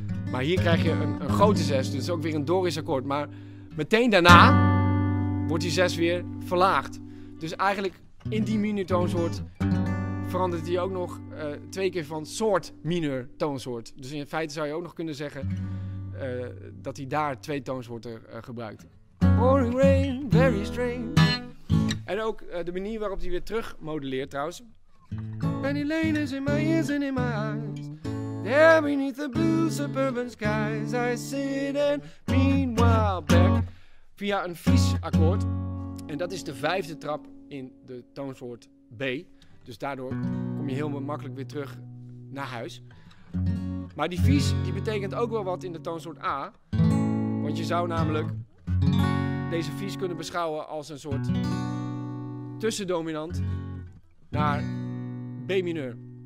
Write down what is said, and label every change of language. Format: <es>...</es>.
<nl>Maar hier krijg je een grote zes, dus ook weer een Dorisch akkoord. Maar meteen daarna wordt die zes weer verlaagd. Dus eigenlijk in die minutoonsoort verandert die ook nog twee keer van soort minor toonsoort. Dus in feite zou je ook nog kunnen zeggen dat hij daar twee toonsoorten gebruikt.</nl> <en>Pouring rain, very strange.</en> <nl>En ook de manier waarop hij weer terug moduleert trouwens.</nl> <en>Penny Lane is in my ears and in my eyes. There beneath the blue suburban skies I sit and meanwhile back.</en> <nl>Via een vies akkoord. En dat is de vijfde trap in de toonsoort B. Dus daardoor kom je heel makkelijk weer terug naar huis. Maar die vies, die betekent ook wel wat in de toonsoort A. Want je zou namelijk deze vies kunnen beschouwen als een soort tussendominant naar B mineur.</nl>